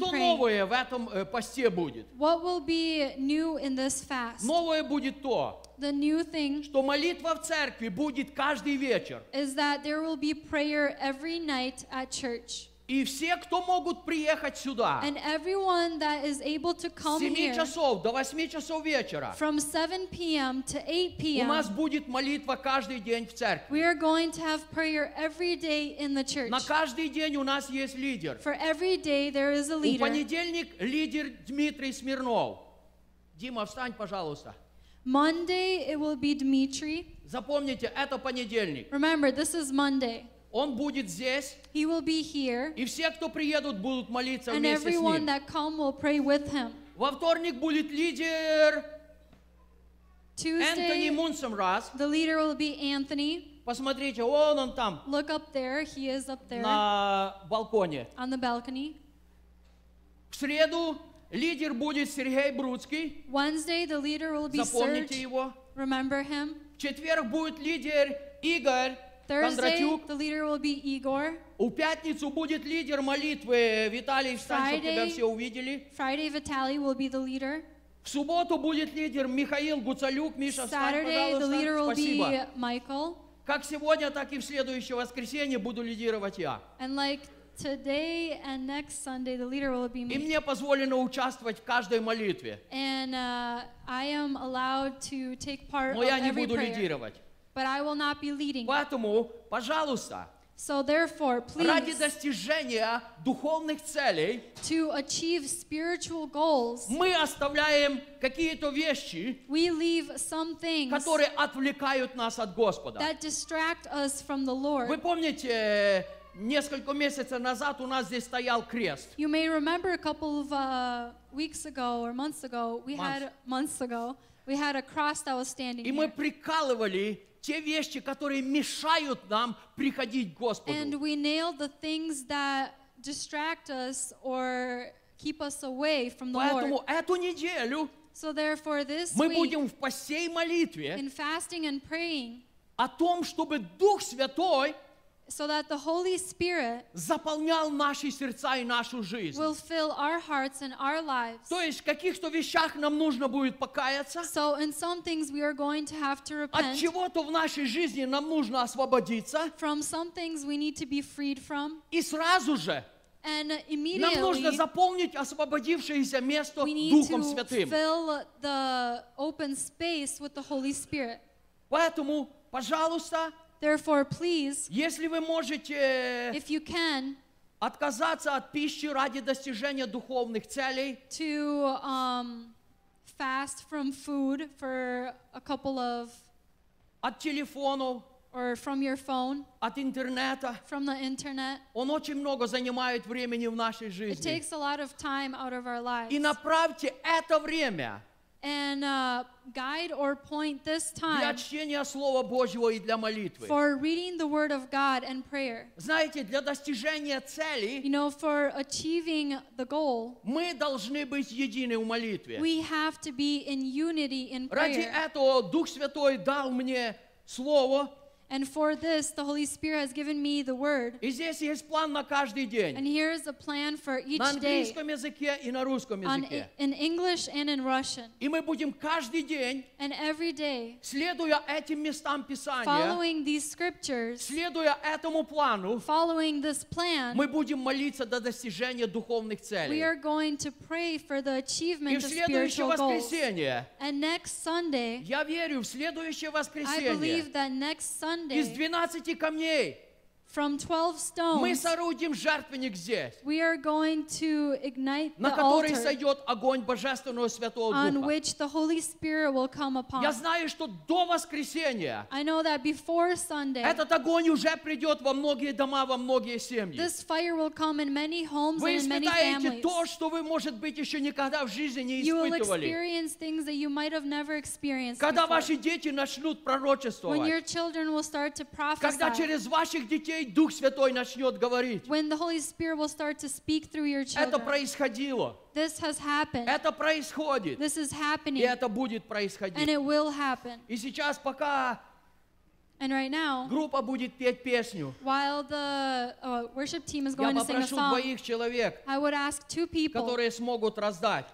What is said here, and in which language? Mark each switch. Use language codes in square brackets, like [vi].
[en] praying. [uk] Що нове в этом посте буде? [en] What will be new in this fast? [uk] Нове буде то. [en] The new thing. [uk] Що молитва в церкві буде кожний вечір. [en] Is that there will be prayer every night at church. [uk] І всі, хто можуть приїхати сюди. [en] And everyone that is able to come here. [ru] 7 часов до 8 часов вечора. [en] From 7 p.m. to 8 p.m. [uk] У нас буде молитва кожен день в церкві. [en] We are going to have prayer every day in the church. [uk] На кожен день у нас є лідер. [en] For every day there is a leader. [uk] У понеділок лідер Дмитрий Смирнов. [ru] Діма, встань, пожалуйста. [en] Monday it will be Dmitry. [ru] Запомните, это понедельник. [en] Remember, this is Monday. [ru] Он будет здесь. [en] He will be here. [ru] И все, кто приедут, будут молиться вместе с ним. [en] And everyone that come will pray with him. [ru] Во вторник будет лидер. [en] Tuesday. [ru] Anthony Munson, раз. [en] The leader will be Anthony. [ru] Посмотрите, вон он там. [en] Look up there. He is up there. [ru] На балконе. [en] On the balcony. [ru] В среду лидер будет Сергей Бруцкий. [en] Wednesday the leader will be Serge. [ru] Запомните его. [en] Remember him. [ru] В четверг будет лидер Игорь. [en] Thursday, the leader will be Igor. [ru] У пятницу будет лидер молитвы Виталий, встань, чтобы тебя все увидели. [en] Friday, Vitaly will be the leader. [ru] В субботу будет лидер Михаил Гуцалюк, Миша, встань, пожалуйста. [en] Saturday, the leader will be Michael. [ru] Как сегодня, так и в следующее воскресенье буду лидировать я. [en] And like today and next Sunday, the leader will be me. [ru] И мне позволено участвовать в каждой молитве. [en] And I am allowed to take part of every prayer. [ru] Но я не буду лидировать. [en] But I will not be leading. [ru] Поэтому, пожалуйста. [en] So therefore, please. [ru] Ради достижения духовных целей. [en] To achieve spiritual goals. [ru] Мы оставляем какие-то вещи. [en] We leave some things. [ru] Которые отвлекают нас от Господа. [en] That distract us from the Lord. [ru] Вы помните, несколько месяцев назад у нас здесь стоял крест. [en] You may remember a couple of weeks ago or months ago. We had a cross that was standing here. [ru] И мы прикалывали те вещи, которые мешают нам приходить к Господу. [en] And we nailed the things that distract us or keep us away from the [ru] Поэтому [en] Lord. [ru] Эту неделю [en] so therefore this [ru] мы [en] week, [ru] будем в посте и молитве [en] in fasting and praying, [ru] о том, чтобы Дух Святой [en] so that the Holy Spirit [ru] заполнял наши сердца и нашу жизнь. [en] Will fill our hearts and our lives. [ru] То есть в каких-то вещах нам нужно будет покаяться. [en] So in some things we are going to have to repent. [ru] От чего-то в нашей жизни нам нужно освободиться. [en] From some things we need to be freed from. [ru] И сразу же [en] and immediately, [ru] нам нужно заполнить освободившееся место [en] we need [ru] Духом [en] to [ru] Святым. [en] Fill the open space with the Holy Spirit. [ru] Поэтому, пожалуйста, [en] therefore, please, [ru] если вы можете, [en] if you can, [ru] отказаться от пищи ради достижения духовных целей, [en] to fast from food for a couple of, [ru] от телефона, [en] or from your phone, [ru] от интернета, [en] from the internet, [ru] он очень много занимает времени в нашей жизни, [en] it takes a lot of time out of our lives, [ru] и направьте это время. [en] And guide or point this time [ru] для чтения Слова Божьего и для молитвы. [en] For reading the Word of God and prayer. [ru] Знаете, для достижения цели, [en] you know, for achieving the goal, [ru] мы должны быть едины в молитве. [en] We have to be in unity in prayer. [ru] Ради этого Дух Святой дал мне Слово. [en] And for this, the Holy Spirit has given me the Word. [ru] И здесь есть план на каждый день. [en] And here is a plan for each day. [ru] На английском языке и на русском языке. [en] In English and in Russian. [ru] И мы будем каждый день, [en] and every day, [ru] следуя этим местам Писания, [en] following these scriptures, [ru] следуя этому плану, [en] following this plan, [ru] мы будем молиться до достижения духовных целей. [en] We are going to pray for the achievement [ru] и в следующее [en] of spiritual [ru] воскресенье, [en] goals. And next Sunday, [ru] я верю, в следующее воскресенье, [en] I believe that next Sunday, [ru] из 12 камней, [en] from 12 stones. [ru] Мы соорудим жертвенник здесь. [en] We are going to ignite the [ru] на который [en] altar [ru] сойдет огонь Божественного Святого Духа. [en] On which the Holy Spirit will come upon. [ru] Я знаю, что до воскресения [en] I know that before Sunday [ru] этот огонь уже придет во многие дома, во многие семьи. [en] This fire will come in many homes [ru] вы [en] and in many families. [ru] Вы испытаете то, что вы, может быть, еще никогда в жизни не [en] you [ru] испытывали. [en] You will experience things that you might have never experienced [ru] когда [en] before. [ru] Ваши дети начнут пророчествовать. [en] When your children will start to prophesy. [ru] Когда через ваших детей Дух Святой начнет говорить. [en] When the Holy Spirit will start to speak through your children. [ru] Это происходило. [en] This has happened. [ru] Это происходит. [en] This is happening. [ru] И это будет происходить. [en] And it will happen. [ru] И сейчас пока [en] And right now, [ru] группа будет петь песню. [en] While the worship team is going to sing a song, [ru] я попрошу двоих человек, [en] I would ask two people, [ru] которые смогут раздать.